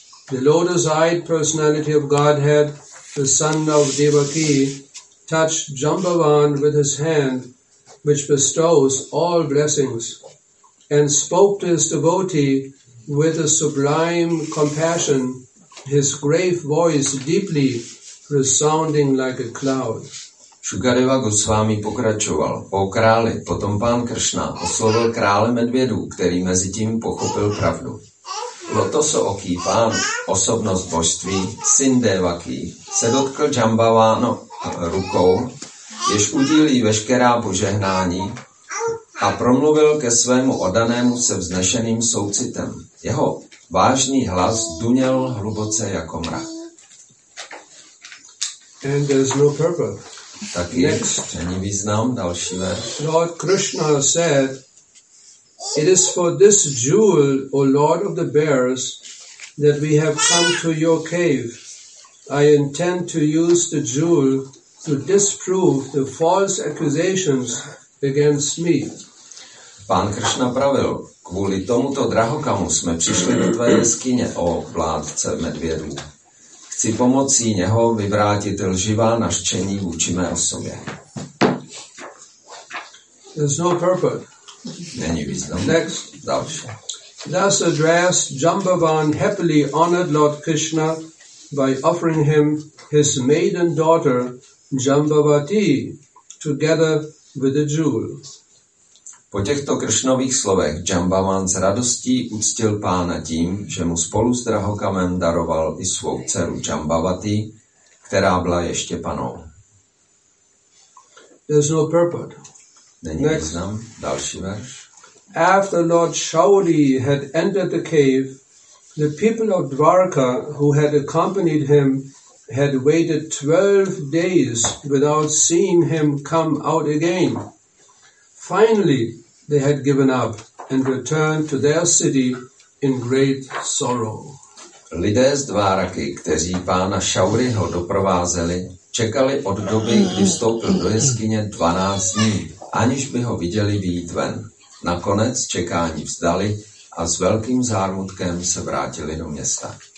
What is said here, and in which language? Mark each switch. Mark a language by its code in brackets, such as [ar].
[en] The lotus-eyed personality of Godhead, the son of Devaki, touched Jambavan with his hand, which bestows all blessings, and spoke to his devotee with a sublime compassion, his grave voice deeply resounding like a cloud. [cs] Shukadeva Goswami pokračoval, o králi, potom pán Kršna oslovil krále medvědů, který mezi tím pochopil pravdu. Lotosooký pán, osobnost božství, syn Devaki, se dotkl Jambavana rukou, jež udílí veškerá požehnání a promluvil ke svému oddanému se vznešeným soucitem. Jeho vážný hlas duněl hluboce jako mrak. [en] And there's no purpose. [cs] Taky není význam, další verš. [en] Lord Krishna said, It is for this jewel, O Lord of the bears, that we have come to your cave. I intend to use the jewel to disprove the false accusations against me. [cs] Pán Krishna pravil, kvůli tomuto drahokamu jsme přišli do tvé jeskyně, o vládce medvědů. Chci pomocí něho vyvrátit lživá naštění vůči mé osobě. [en] There's no purpose. [cs] Není význam. [en] Next. [cs] Další. [en] Thus addressed, Jambavan happily honored Lord Krishna by offering him his maiden daughter, Jambavati, together with the jewel. [cs] Po těchto Kršnových slovech Jambavan s radostí uctil pána tím, že mu spolu s drahokamem daroval i svou dceru Jambavati, která byla ještě panou. [en] There's no purport. [cs] Není význam. Další verš. [en] After Lord Shauli had entered the cave, the people of Dvarka, who had accompanied him, had waited 12 days without seeing him come out again. Finally, they had given up and returned to their city in great sorrow. [cs] Lidé z Dváraky, kteří pána Shauriho doprovázeli, čekali od doby, kdy vstoupil do jeskyně 12 dní, aniž by ho viděli výjít ven. Nakonec čekání vzdali a s velkým zármutkem se vrátili do města.